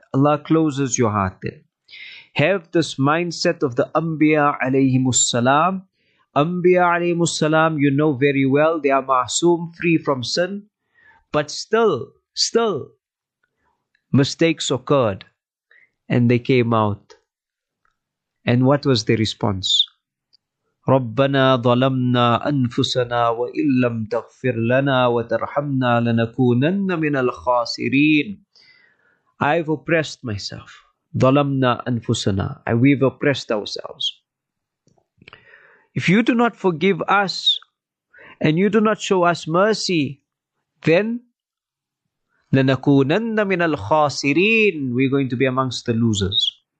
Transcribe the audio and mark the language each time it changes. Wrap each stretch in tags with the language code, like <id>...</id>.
<en>Allah closes your heart there. Have this mindset of the Anbiya alayhimus salam. Anbiya alayhimus salam, you know very well, they are ma'soom, free from sin. But still, mistakes occurred. And they came out. And what was their response?</en> <ar>رَبَّنَا ظَلَمْنَا أَنفُسَنَا وَإِن لَمْ تَغْفِرْ لَنَا وَتَرْحَمْنَا لَنَكُونَنَّ مِنَ الْخَاسِرِينَ</ar> <en>I've oppressed myself.</en> <ar>ظَلَمْنَا أَنفُسَنَا</ar> <en>We've oppressed ourselves. If you do not forgive us and you do not show us mercy, then</en> <ar>لَنَكُونَنَّ مِنَ الْخَاسِرِينَ</ar> <en>We're going to be amongst the losers.</en>